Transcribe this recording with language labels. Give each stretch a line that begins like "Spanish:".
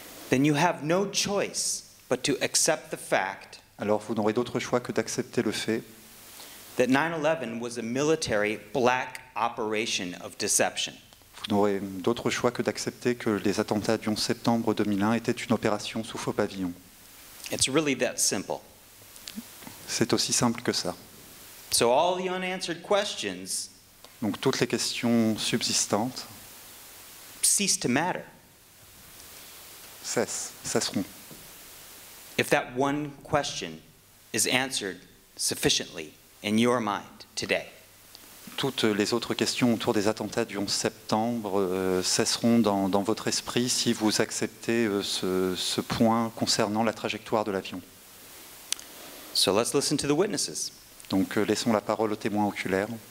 English: then you have no choice but to accept the fact,
French: alors vous n'aurez d'autre choix que d'accepter le fait,
English: that 9/11 was a military black operation of deception.
French: Vous n'aurez d'autre choix que d'accepter que les attentats du 11 septembre 2001 étaient une opération sous faux pavillon.
English: It's really that simple.
French: C'est aussi simple que ça.
English: So all the unanswered questions,
French: donc toutes les questions subsistantes,
English: cease to matter.
French: Cesseront.
English: If that one question is answered sufficiently in your mind today.
French: Toutes les autres questions autour des attentats du 11 septembre cesseront dans votre esprit si vous acceptez ce point concernant la trajectoire de l'avion.
English: So let's listen to the witnesses.
French: Donc laissons la parole aux témoins oculaires.